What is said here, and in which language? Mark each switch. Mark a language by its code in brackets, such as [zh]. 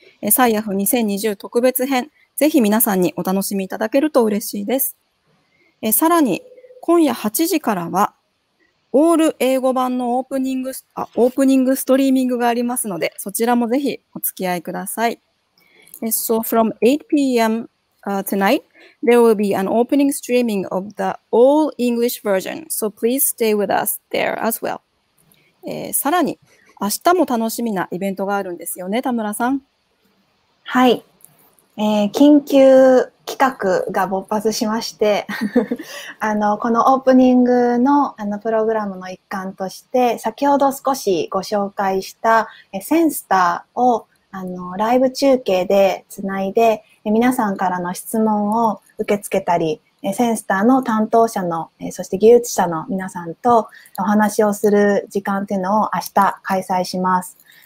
[ja] サイアフ2020特別編、ぜひ皆さんにお楽しみいただけると嬉しいです。さらに、今夜8時からは、オール英語版のオープニングストリーミングがありますので、そちらもぜひお付き合いください。 [en] So from 8 PM, tonight, there will be an opening streaming of the all English version. So please stay with us there as well. [ja] さらに、明日も楽しみなイベントがあるんですよね、田村さん。はい。緊急企画が勃発しまして、このオープニングの、プログラムの一環として、先ほど少しご紹介した、センスターを、ライブ中継でつないで、皆さんからの質問を受け付けたり、センスターの担当者の、そして技術者の皆さんとお話をする時間っていうのを明日開催します。